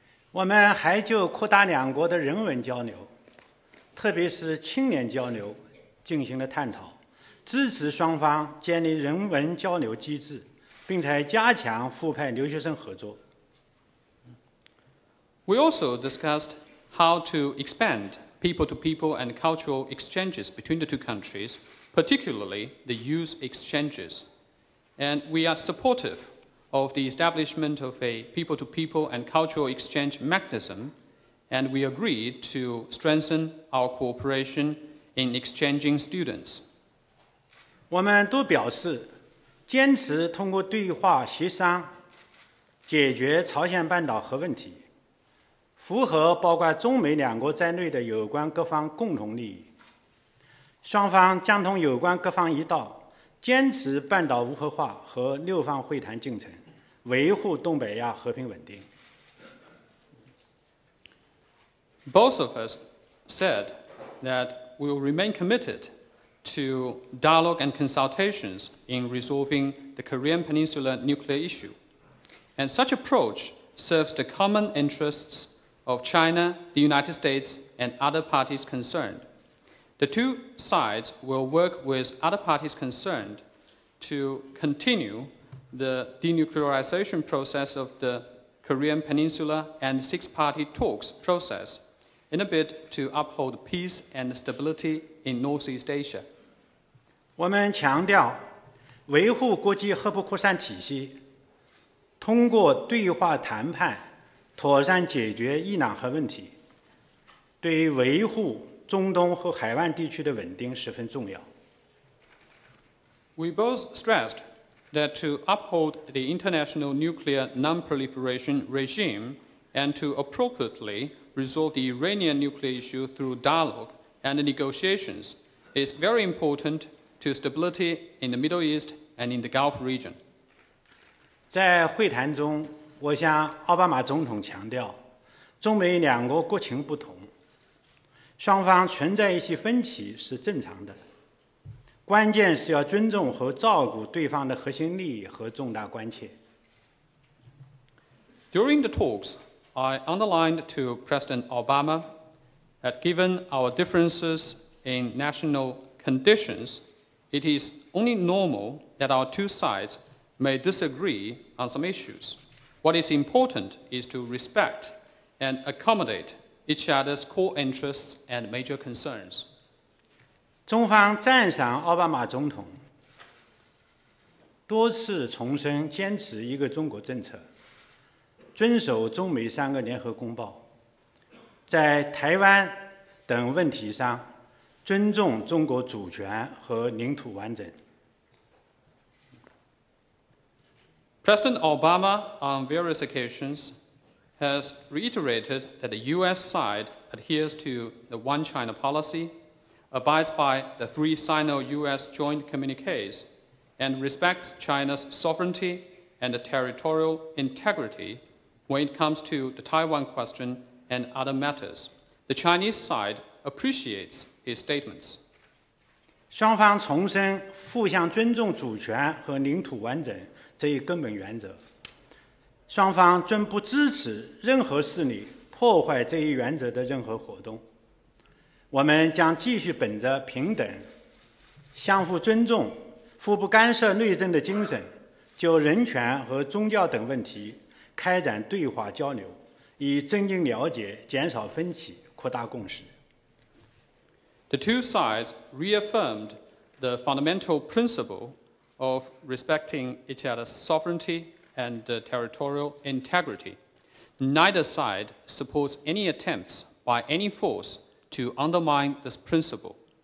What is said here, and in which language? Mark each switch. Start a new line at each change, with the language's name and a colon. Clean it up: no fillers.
Chinese: 我们还就扩大两国的人文交流，特别是青年交流，进行了探讨，支持双方建立人文交流机制，并且加强互派留学生合作。
English: We also discussed how to expand people-to-people and cultural exchanges between the two countries, particularly the youth exchanges. And we are supportive of the establishment of a people-to-people and cultural exchange mechanism, and we agreed to strengthen our cooperation in exchanging students.
Chinese: 我们都表示坚持通过对话协商解决朝鲜半岛核问题。符合包括中美两国在内的有关各方共同利益。双方将同有关各方一道，坚持半岛无核化和六方会谈进程，维护东北亚和平稳定。
English: Both of us said that we will remain committed to dialogue and consultations in resolving the Korean Peninsula nuclear issue. And such approach serves the common interests of China, the United States, and other parties concerned. The two sides will work with other parties concerned to continue the denuclearization process of the Korean Peninsula and six-party talks process in a bid to uphold peace and stability in Northeast Asia.
Chinese: 我们强调维护国际核不扩散体系，通过对话谈判妥善解决伊朗核问题，对于维护中东和海湾地区的稳定十分重要。
English: We both stressed that to uphold the international nuclear non-proliferation regime and to appropriately resolve the Iranian nuclear issue through dialogue and negotiations is very important to stability in the Middle East and in the Gulf region.
Chinese: 在会谈中我向奥巴马总统强调，中美两国国情不同，双方存在一些分歧是正常的。关键是要尊重和照顾对方的核心利益和重大关切。
English: During the talks, I underlined to President Obama that given our differences in national conditions, it is only normal that our two sides may disagree on some issues. What is important is to respect and accommodate each other's core interests and major concerns.
Chinese: 中方赞赏奥巴马总统多次重申坚持一个中国政策，遵守中美三个联合公报，在台湾等问题上尊重中国主权和领土完整。
English: President Obama, on various occasions, has reiterated that the U.S. side adheres to the One China policy, abides by the three Sino-U.S. joint communiques, and respects China's sovereignty and territorial integrity when it comes to the Taiwan question and other matters. The Chinese side appreciates his statements.
Chinese: 双方重申互相尊重主权和领土完整这一根本原则，双方均不支持任何势力破坏这一原则的任何活动。我们将继续本着平等、相互尊重、互不干涉内政的精神，就人权和宗教等问题开展对话交流，以增进了解、减少分歧、扩大共识。
English: The two sides reaffirmed the fundamental principle of respecting each other's sovereignty and territorial integrity. Neither side supports any attempts by any force to undermine this principle.